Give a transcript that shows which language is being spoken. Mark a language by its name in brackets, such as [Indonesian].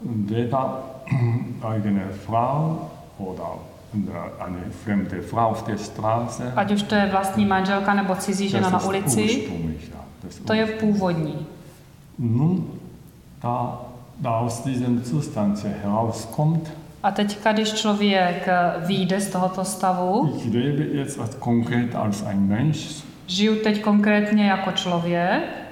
[German] weder eigene Frau oder eine fremde Frau auf der Straße, [Czech] ať už to je vlastní manželka nebo cizí žena na ulici, to je původní. [German] Nun, da aus diesem Zustand herauskommt, [Czech] a teďka, když člověk vyjde z tohoto stavu, [German] ich lebe jetzt als konkret als ein Mensch, [Czech] žiju teď konkrétně jako člověk,